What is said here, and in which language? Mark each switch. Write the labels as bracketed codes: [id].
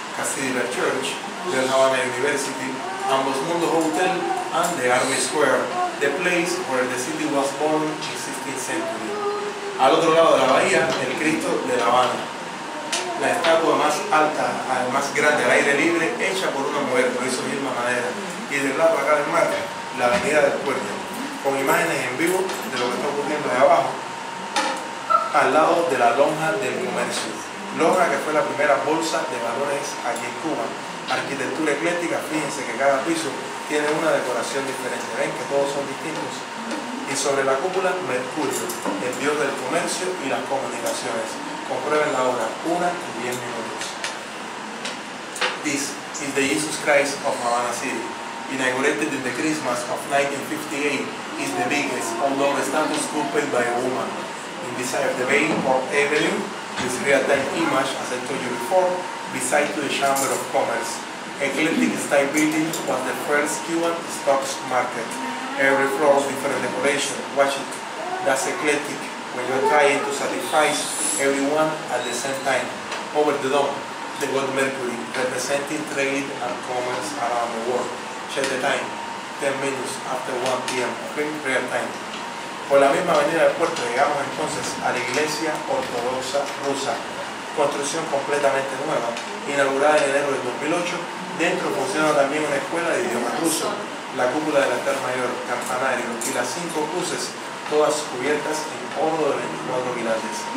[en] Cathedral Church, the Havana University, Ambos Mundos Hotel, and the Army Square, the place where the city was born in the 16th century. [es] Al otro lado de la bahía, el Cristo de La Habana, la estatua más alta, más grande al aire libre, hecha por una mujer, lo hizo Irma Madera, y del lado acá del mar, la Avenida del Puerto, con imágenes en vivo de lo que está ocurriendo ahí abajo, al lado de la Lonja del Comercio. Lonja que fue la primera bolsa de valores aquí en Cuba. Arquitectura ecléctica, fíjense que cada piso tiene una decoración diferente, ven que todos son distintos. Y sobre la cúpula, Mercurio, el dios del comercio y las comunicaciones. Comprueben la hora, 1:10. [en] This is the Jesus Christ of Havana City. Inaugurated in the Christmas of 1958, is the biggest, although the statue sculpted by a woman. In the side of the vein of Evelyn, this real-time image, as I told you before, beside to the Chamber of Commerce. Eclectic style building was the first Cuban stock market. Every floor is different decoration. Watch it. That's eclectic when you're trying to satisfy everyone at the same time. Over the dome, the god Mercury, representing trade and commerce around the world. Check the time. 10 minutes after 1 p.m. Okay? Real time. [es] Por la misma avenida del puerto llegamos entonces a la iglesia ortodoxa rusa. Construcción completamente nueva, inaugurada en enero del 2008. Dentro funciona también una escuela de idioma ruso, la cúpula del altar mayor, campanario y las 5 cruces, todas cubiertas en oro de 24 quilates.